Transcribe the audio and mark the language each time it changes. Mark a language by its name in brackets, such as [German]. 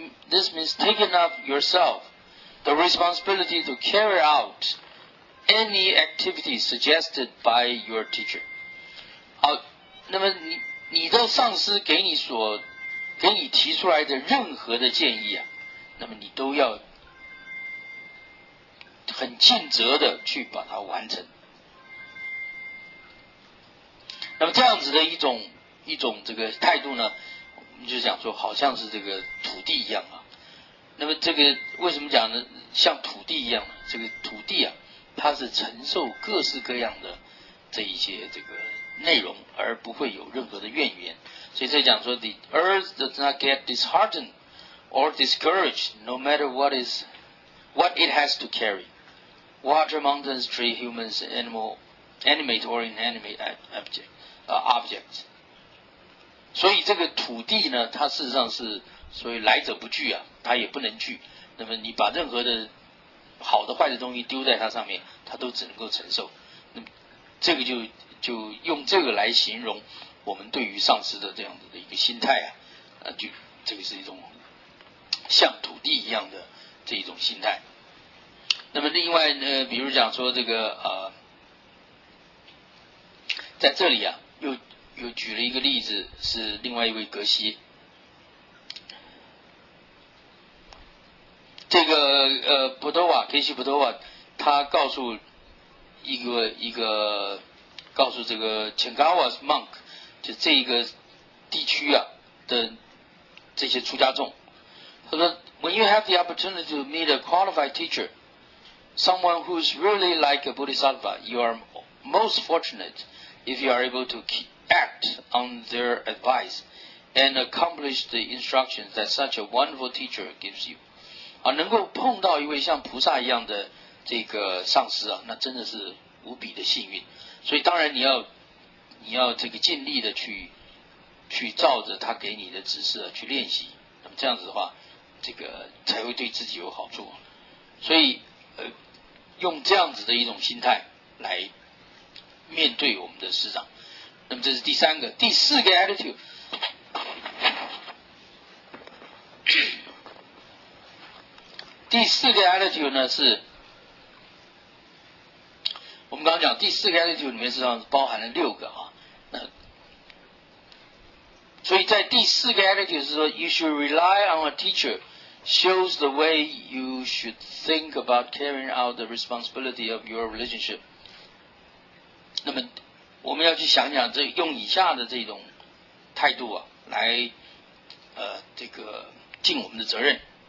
[English] This means taking up yourself the responsibility to carry out any activity suggested by your teacher。 [Chinese] 好，那么你的上司给你提出来的任何的建议啊，那么你都要很尽责的去把它完成。那么这样子的一种这个态度呢，你就讲说好像是这个土地一样啊。那么这个为什么讲呢？像土地一样，这个土地啊，它是承受各式各样的这一些这个内容，而不会有任何的怨言。所以这讲说 [English] The earth does not get disheartened or discouraged no matter what it has to carry. Water, mountains, tree, humans, animate or inanimate objects. [Chinese] 所以这个土地呢，它事实上是所谓来者不拒啊，它也不能拒。那么你把任何的好的坏的东西丢在它上面，它都只能够承受。那么这个就用这个来形容我们对于上师的这样子的一个心态啊，就这个是一种像土地一样的这一种心态。那么另外呢，比如讲说这个在这里啊又举了一个例子，是另外一位格西。这个普多瓦，格西普多瓦，他告诉一个告诉这个 [English] Chengawas monk， [Chinese] 就这一个地区啊的这些出家众，他说 [English] ，When you have the opportunity to meet a qualified teacher， someone who's really like a bodhisattva， you are most fortunate if you are able to act on their advice and accomplish the instructions that such a wonderful teacher gives you. [Chinese] 啊，能够碰到一位像菩萨一样的这个上师啊，那真的是无比的幸运。所以当然你要你要这个尽力的去照着他给你的指示去练习，那么这样子的话这个才会对自己有好处。所以用这样子的一种心态来面对我们的师长。那么这是第三个。第四个 attitude 第四个 attitude 呢，是我们刚刚讲第四个 attitude 里面实际上包含了六个啊。那所以在第四个 attitude 是说 [English] you should rely on a teacher shows the way you should think about carrying out the responsibility of your relationship。 [Chinese] 那么我们要去想想这用以下的这种态度啊来这个尽我们的责任。